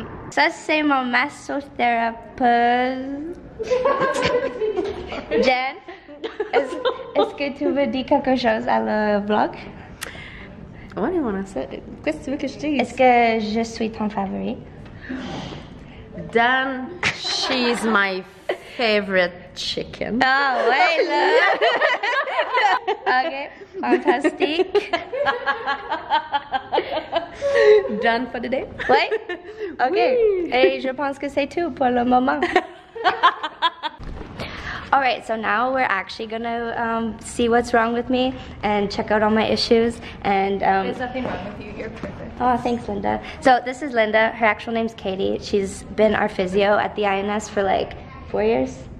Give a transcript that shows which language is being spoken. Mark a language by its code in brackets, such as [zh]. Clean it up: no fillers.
[fr] Ça, c'est mon massothérapeute. Jen, est-ce que tu veux dire quelque chose à le vlog? Oui, on a ça. Qu'est-ce que tu veux que je te dise? Est-ce que je suis ton favori? [en] Dan, she's my favorite chicken. Oh, wait, là. Okay, fantastic. Done for the day? What? Okay. Oui. [fr] Et je pense que c'est tout pour le moment. [en] All right, so now we're actually gonna see what's wrong with me and check out all my issues. And there's nothing wrong with you. You're perfect. Oh, thanks, Linda. So this is Linda. Her actual name's Katie. She's been our physio at the INS for like 4 years.